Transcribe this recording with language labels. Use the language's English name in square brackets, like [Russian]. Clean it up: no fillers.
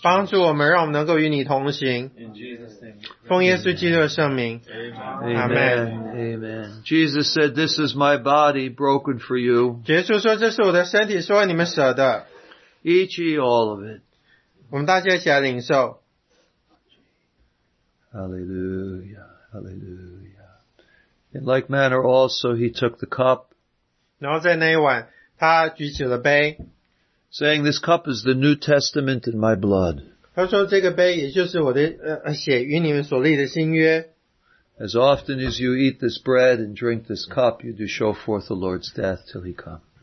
[Chinese] 帮助我们，让我们能够与你同行。 [English] In Jesus' name. [Chinese] 奉耶稣基督的圣名。 [English] Amen. Amen. Jesus said, "This is my body broken for you." [Chinese] 耶稣说，这是我的身体，是为你们舍的。 [English] Each ye all of it. [Chinese] 我们大家一起来领受。 [English] Hallelujah. Hallelujah. In like manner also he took the cup. [Chinese] 然后在那一晚，他举起了杯。 [English] Saying, this cup is the New Testament in my blood. [Chinese] 他说这个杯也就是我的血与你们所立的新约。 [English] As often as you eat this bread and drink this cup, you do show forth the Lord's death till he come.